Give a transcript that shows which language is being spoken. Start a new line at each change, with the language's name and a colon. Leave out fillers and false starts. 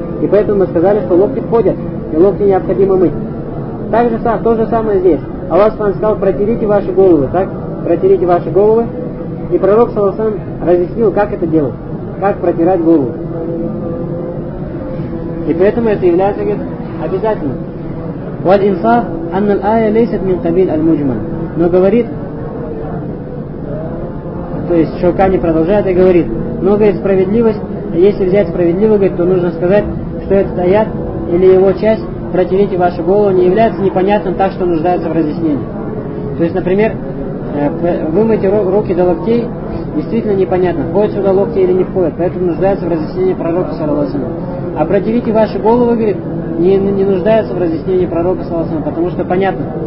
Russian: И поэтому мы сказали, что локти входят, и локти необходимо мыть. Также то же самое здесь. Аллах нам сказал, протерите ваши головы, так? Протерите ваши головы. И пророк, саллаллаху алейхи ва саллям, разъяснил, как это делать, как протирать голову. И поэтому это является, говорит, обязательным.
Arabic: والإنصاف أن الآية ليست من قبيل المجمل.
Russian: Но говорит, то есть Шаукани продолжает и говорит, но говорит справедливость, если взять справедливо, говорит, то нужно сказать, что этот аят или его часть, протерите вашу голову, не является непонятным, так что нуждается в разъяснении. То есть, например, вымыть руки до локтей действительно непонятно, входят сюда локти или не входят, поэтому нуждается в разъяснении пророка саллаллаху алейхи ва саллям. А протерите ваши головы, говорит, не нуждается в разъяснении пророка саллаллаху алейхи ва саллям, потому что понятно.